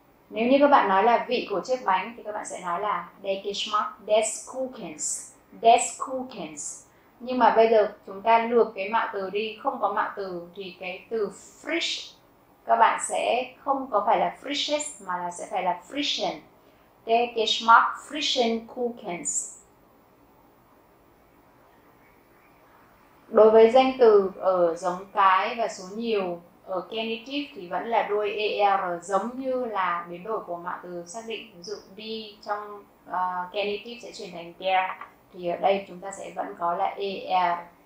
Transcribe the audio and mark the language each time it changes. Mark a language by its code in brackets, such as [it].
[vi] Nếu như các bạn nói là vị của chiếc bánh thì các bạn sẽ nói là [de] der Geschmack des Kuchens, [vi] des Kuchens. Nhưng mà bây giờ chúng ta lược cái mạo từ đi, không có mạo từ thì cái từ frisch các bạn sẽ không có phải là frisches mà là sẽ phải là frischen. [de] Der Geschmack frischen Kuchens. [vi] Đối với danh từ ở giống cái và số nhiều ở genitive thì vẫn là đuôi er giống như là biến đổi của mạo từ xác định, ví dụ đi trong genitive sẽ chuyển thành der thì ở đây chúng ta sẽ vẫn có là er.